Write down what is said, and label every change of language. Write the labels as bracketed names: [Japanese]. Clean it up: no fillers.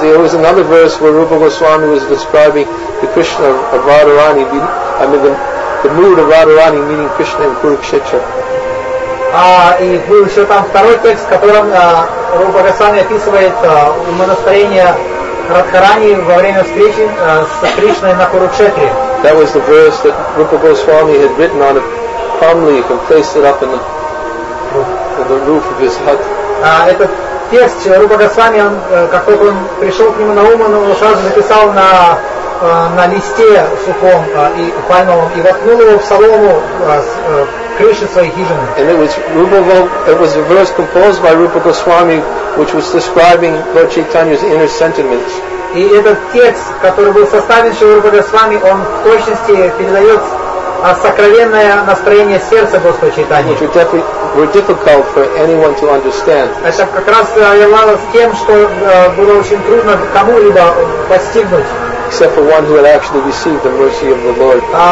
[English] There was another verse where Rupa Goswami was describing the Krishna of Radharani, the mood of Radharani, meaning Krishna in Kurukshetra. [Russian] И был еще там второй текст, в котором Рупа Госвами описывает умонастроение Радхарани во время встречи с Кришной на Курукшетре. [English] That was the verse that Rupa Goswami had written on a palm leaf and placed it up in the roof of his hut. [Russian] Этот текст Рупа Госвами, он, как только он пришел к нему на ум, он его сразу записал на листе сухом и пальмовом и воткнул его в солому с крыши своей хижины. [English] And it was a verse composed by Rupa Goswami, which was describing Lord Chaitanya's inner sentiments. [Russian] И этот текст, который был составлен Шри Рупа Госвами, он в точности передает сокровенное настроение сердца Господа Чайтаньи. [English] Which were difficult for anyone to understand. [Russian] Это как раз являлось тем, что было очень трудно кому-либо постигнуть. [English] Except for one who had actually received the mercy of the Lord.